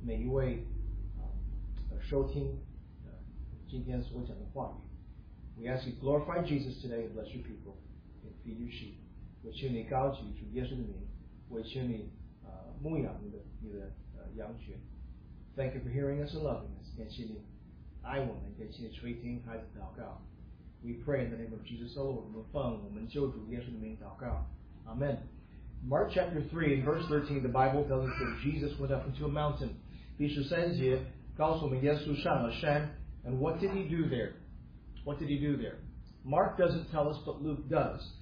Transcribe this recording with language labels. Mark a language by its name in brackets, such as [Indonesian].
[Chinese] 天上的父，真的感谢你，这些人能够聚集，我请你祝福他们每一个人，也祝福每一位收听。今天所讲的话语， [English] We ask you glorify Jesus today and bless your people and feed your sheep. [Chinese] 我求你高举主耶稣的名，我求你牧养你的羊群。 [English] Thank you for hearing us and loving us. [Chinese] 感谢你爱我们，感谢你垂听孩子的祷告。 [English] We pray in the name of Jesus, O Lord. [Chinese] 我们奉我们救主耶稣的名祷告。Amen. [English] Mark chapter 3 and verse 13, the Bible tells us that Jesus went up into a mountain. [Chinese] 第十三节告诉我们耶稣上了山。 [English] And what did he do there? What did he do there? Mark doesn't tell us, but Luke does.